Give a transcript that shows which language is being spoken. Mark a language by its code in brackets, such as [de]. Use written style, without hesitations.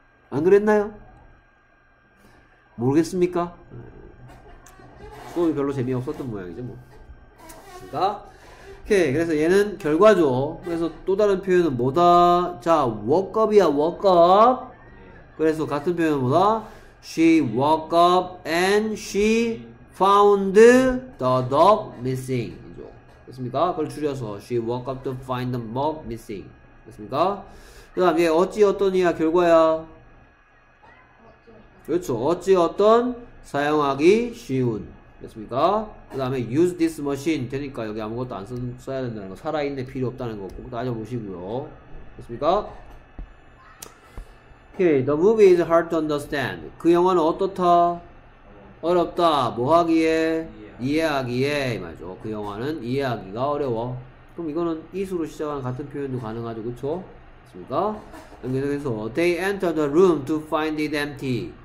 [ko] 안 그랬나요? 모르겠습니까? 수업이 별로 재미없었던 모양이죠, 뭐. 그러니까, 오케이. 그래서 얘는 결과죠. 그래서 또 다른 표현은 뭐다? [en] 자, woke up이야, woke up. [ko] 그래서 같은 표현은 뭐다? [en] She woke up and she found the dog missing. [ko] 됐습니까? 그걸 줄여서 [en] She woke up to find the dog missing. [ko] 됐습니까? 그 다음 얘 어찌 어떤이야 결과야. 그렇죠. 어찌 어떤 사용하기 쉬운. 됐습니까? 그 다음에 [en] use this machine [ko] 되니까 여기 아무것도 안 써야 된다는 거, 살아있는 필요 없다는 거 꼭 따져보시고요. 됐습니까? [en] Okay, the movie is hard to understand. [ko] 그 영화는 어떻다? 어렵다. 뭐 하기에? 이해하기에. 맞죠. 그 영화는 이해하기가 어려워. 그럼 이거는 is로 시작하는 같은 표현도 가능하죠. 그쵸? 됐습니까? 여기서 [en] they enter the room to find it empty.